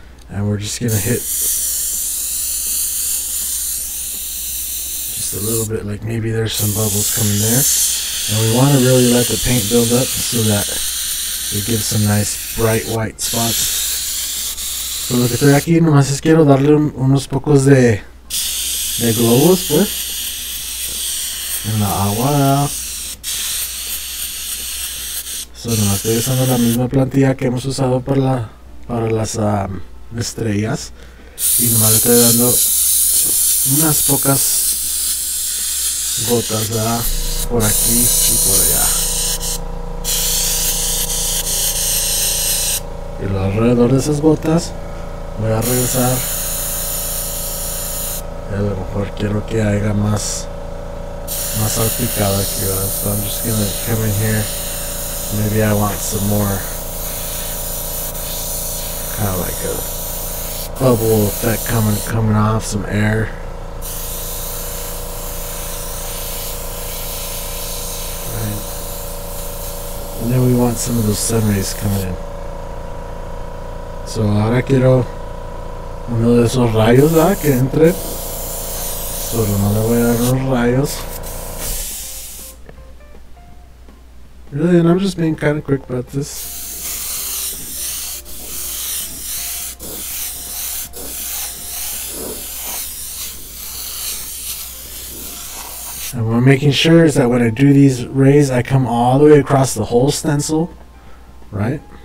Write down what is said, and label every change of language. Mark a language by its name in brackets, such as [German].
[English] And we're just going to hit just a little bit, like maybe there's some bubbles coming there. And we want to really let the paint build up so that it gives some nice bright white spots. [Spanish] So lo que estoy aquí, nomás es quiero darle unos pocos de globos, pues. En la agua. So nomás estoy usando la misma plantilla que hemos usado para las estrellas. Y nomás le estoy dando unas pocas gotas, ¿verdad? Por aquí y por allá. Y alrededor de esas gotas voy a regresar. Y a lo mejor quiero que haya más salpicado aquí, ¿verdad? [English] So I'm just gonna come in here. Maybe I want some more kind of like a bubble effect coming off, some air. Right. And then we want some of those sun rays coming in. [Spanish] So ahora quiero uno de esos rayos, ¿verdad? Que entre. Solo no le voy a dar los rayos. [English] Really, and I'm just being kind of quick about this. And what I'm making sure is that when I do these rays, I come all the way across the whole stencil, right?